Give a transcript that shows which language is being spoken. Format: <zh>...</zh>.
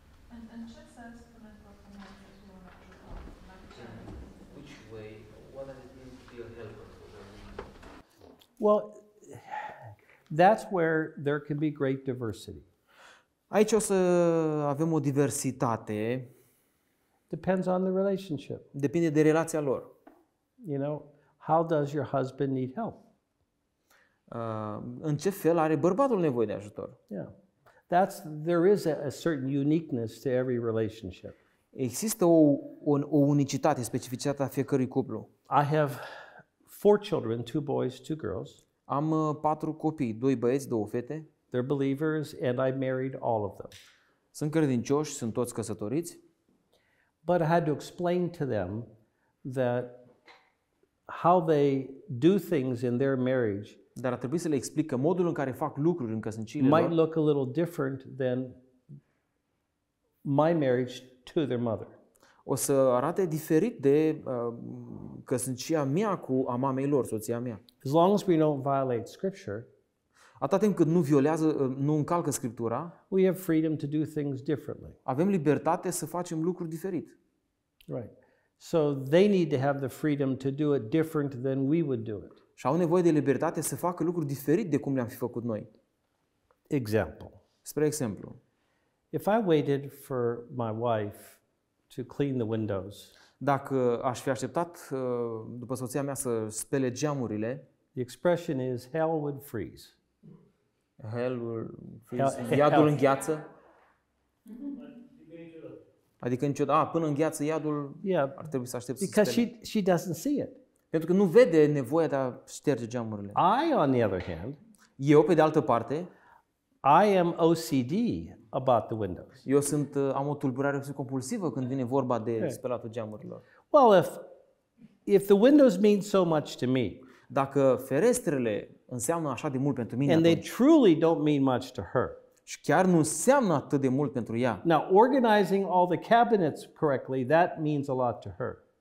<ro>În ce sens spune propunerea acestui om ajutor?</ro> <en>Which way? What does it mean to be a helper? Well, that's where there can be great diversity.</en> <ro>Aici o să avem o diversitate.</ro> <en>Depends on the relationship.</en> <ro>Depinde de relația lor.</ro> <en>You know, how does your husband need help?</en> <ro>În ce fel are bărbatul nevoie de ajutor?</ro> <en>Yeah. There is a certain uniqueness to every relationship.</en> <ro>Există o unicitate, specificitate a fiecărui cuplu.</ro> <en>I have 4 children, 2 boys, 2 girls.</en> <ro>Am 4 copii, 2 băieți, 2 fete.</ro> <en>They're believers and I married all of them.</en> <ro>Sunt credincioși, sunt toți căsătoriți.</ro> <en>But I had to explain to them that how they do things in their marriage.</en> <ro>Dar ar trebui să le explic că modul în care fac lucruri în căsnicie</ro> <en>might look a little different than my marriage to their mother.</en> <ro>O să arate diferit de căsnicia mea cu a mamei lor, soția mea.</ro> <en>As long as we don't violate scripture,</en> <ro>atâta timp cât nu încalcă scriptura,</ro> <en>we have freedom to do things differently.</en> <ro>Avem libertate să facem lucruri diferit.</ro> <en>Right. So they need to have the freedom to do it different than we would do it.</en> <ro>Și au nevoie de libertate să facă lucruri diferit de cum le-am fi făcut noi.</ro> <en>Example.</en> <ro>Spre exemplu.</ro> <en>If I waited for my wife to clean the windows.</en> <ro>Dacă aș fi așteptat după soția mea să spele geamurile,</ro> <en>the expression is hell would freeze. Hell would freeze.</en> <ro>Iadul îngheață. Adică niciodată, până îngheață iadul, ar trebui să aștept.</ro> <en>Because</en> <ro>să spele.</ro> <en>She doesn't see it.</en> <ro>Pentru că nu vede nevoia de a șterge geamurile.</ro> <en>I, on the other hand,</en> <ro>eu pe de altă parte,</ro> <en>I am OCD about the windows.</en> <ro>Eu sunt am o tulburare compulsivă când vine vorba de spălatul geamurilor.</ro> <en>Well, if the windows mean so much to me,</en> <ro>dacă ferestrele înseamnă așa de mult pentru mine,</ro> <en>and they truly don't mean much to her.</en> <ro>Și chiar nu înseamnă atât de mult pentru ea.</ro> <en>Now, organizing all the cabinets correctly, that means a lot to her.</en>